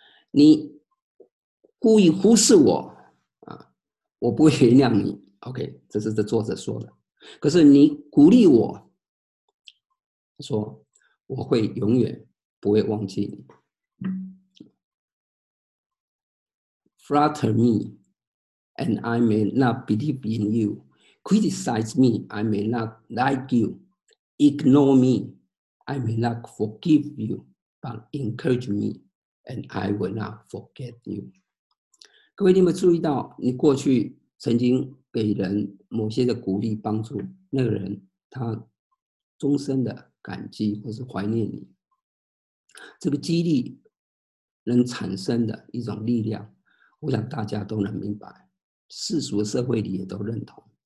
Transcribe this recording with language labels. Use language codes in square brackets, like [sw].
[zh] 你故意忽视我我不会原谅你。 OK， 这是这作者说的。可是你鼓励我。” 说我会永远不会忘记你。 [en] Flatter me, and I may not believe in you. Criticize me, I may not like you. Ignore me, I may not forgive you. But encourage me, and I will not forget you. [zh] 各位，你有没有注意到，你过去曾经给人某些的鼓励帮助，那个人他终身的感激或是怀念你，这个激励能产生的一种力量，我想大家都能明白，世俗社会里也都认同。